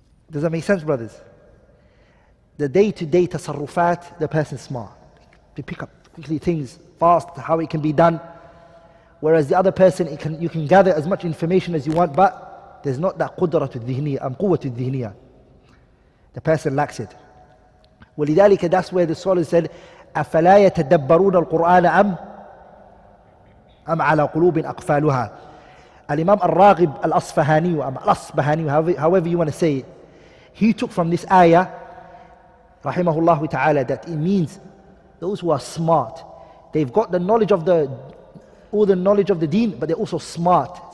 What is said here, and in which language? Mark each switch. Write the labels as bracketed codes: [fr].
[en] Does that make sense, brothers? The day-to-day tasarrufat, the person's smart. They pick up quickly things fast, how it can be done. Whereas the other person, it can, you can gather as much information as you want, but there's not that qudratu dhihniya, amquwatu dhihniya. The person lacks it. [ar] ولذلك, [en] that's where the scholar said, [ar] أَفَلَا يَتَدَبَّرُونَ الْقُرْآنَ أَمْ عَلَى قُلُوبٍ أَقْفَالُهَا. [en] Al-Imam al-Raghib al-Asfahani, however you want to say it, he took from this ayah, rahimahullah ta'ala, that it means those who are smart, they've got the knowledge of all the knowledge of the deen, but they're also smart.